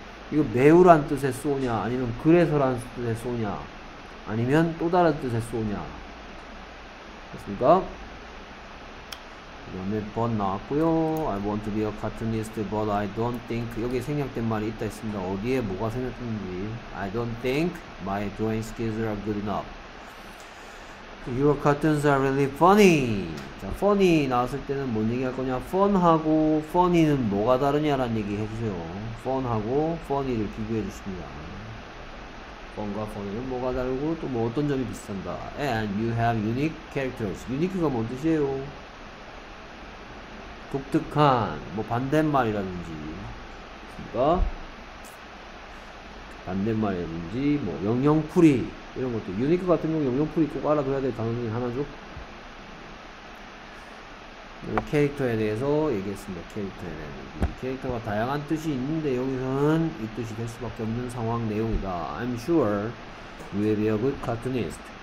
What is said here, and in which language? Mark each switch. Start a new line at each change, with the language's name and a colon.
Korean: 이거 매우란 뜻의 so냐, 아니면 그래서란 뜻의 so냐, 아니면 또 다른 뜻의 so냐. 됐습니까? 그다음에 but 나왔고요.
English: I want to be a cartoonist, but I don't think
Korean: 여기에 생략된 말이 있다 했습니다. 어디에 뭐가 생략됐는지.
English: I don't think my drawing skills are good enough. Your cartoons are really funny.
Korean: 자, funny 나왔을 때는 뭔 얘기할 거냐? fun하고 funny는 뭐가 다르냐라는 얘기 해주세요. fun하고 funny를 비교해 주십니다. fun과 funny는 뭐가 다르고 또뭐 어떤 점이 비슷한가?
English: And you have unique characters.
Korean: unique가 뭔 뜻이에요? 독특한, 뭐 반대말이라든지, 그니까 반대말이라든지, 뭐 영영풀이. 이런 것도 유니크 같은 경우 영영풀이 꼭 알아둬야 될 단어 중에 하나죠. 캐릭터에 대해서 얘기했습니다. 캐릭터에 대해서 캐릭터가 다양한 뜻이 있는데 여기서는 이 뜻이 될 수밖에 없는 상황 내용이다.
English: I'm sure you will be a good cartoonist.